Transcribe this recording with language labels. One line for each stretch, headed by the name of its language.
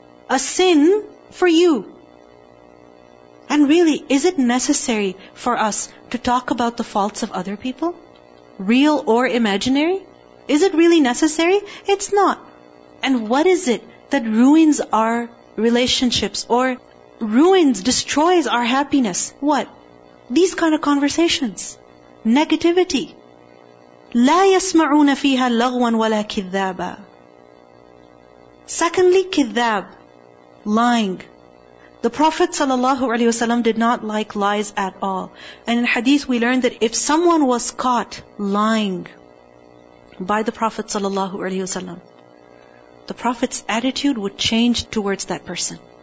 English: A sin for you. And really, is it necessary for us to talk about the faults of other people? Real or imaginary? Is it really necessary? It's not. And what is it that ruins our relationships or ruins, destroys our happiness. What? These kind of conversations. Negativity.
Arabic: لا يسمعون فيها لغوا ولا كذابا.
English: Secondly, كذاب. Lying. The Prophet ﷺ did not like lies at all. And in hadith we learned that if someone was caught lying by the Prophet ﷺ, the Prophet's attitude would change towards that person.